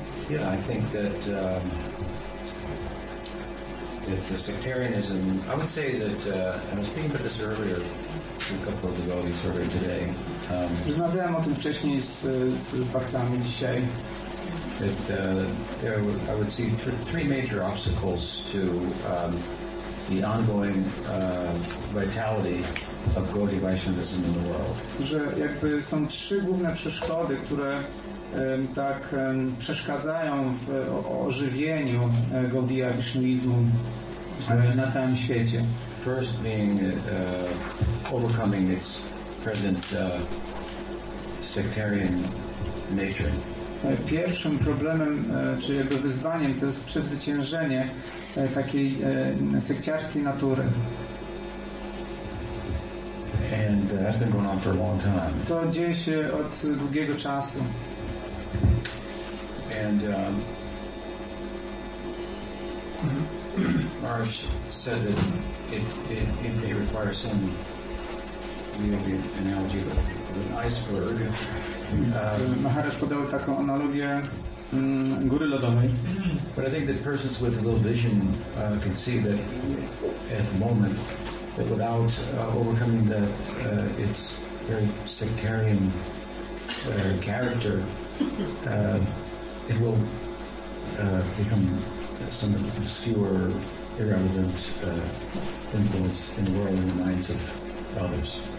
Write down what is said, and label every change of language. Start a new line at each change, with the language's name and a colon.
English: Yeah, I think that if the sectarianism, I would say that, I was speaking about this earlier, a couple of devotees earlier today.
Polish: Rozmawiałem o tym wcześniej z bhaktami dzisiaj.
English: That I would see three major obstacles to the ongoing vitality of Gaudiya Vaishnavism in the world.
Polish: Że jakby są trzy główne przeszkody, które tak przeszkadzają w ożywieniu Gaudiya Vaishnavizmu na całym świecie.
English: First being overcoming its present sectarian nature.
Polish: Pierwszym problemem, czy jego wyzwaniem, to jest przezwyciężenie takiej sekciarskiej natury.
English: And that's been going on for a long time.
Polish: To dzieje się od długiego czasu.
English: And Marsh said that it may require some maybe analogy of an iceberg.
Polish: Maharaj podał taką analogię góry lodowej.
English: But I think that persons with low vision can see that at the moment that without overcoming that its very sectarian character, it will become some obscure, irrelevant influence in the world and in the minds of others.